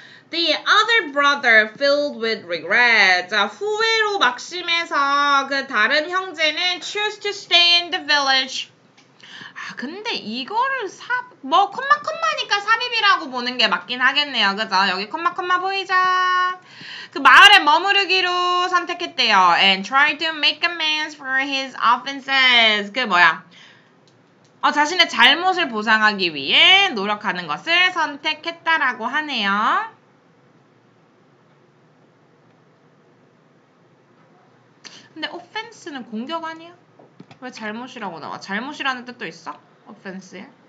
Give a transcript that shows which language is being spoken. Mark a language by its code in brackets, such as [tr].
[en] The other brother filled with regret. [ko] 자, 후회로 막심해서 그 다른 형제는 [en] choose to stay in the village. [ko] 아, 근데 이거를 뭐 콤마 콤마니까 삽입이라고 보는 게 맞긴 하겠네요. 그죠? 여기 콤마 콤마 보이죠? 그 마을에 머무르기로 선택했대요. [en] And try to make amends for his offenses. [ko] 그 뭐야? 자신의 잘못을 보상하기 위해 노력하는 것을 선택했다라고 하네요. 근데 offense는 공격 아니야? 왜 잘못이라고 나와? 잘못이라는 뜻도 있어? offense에?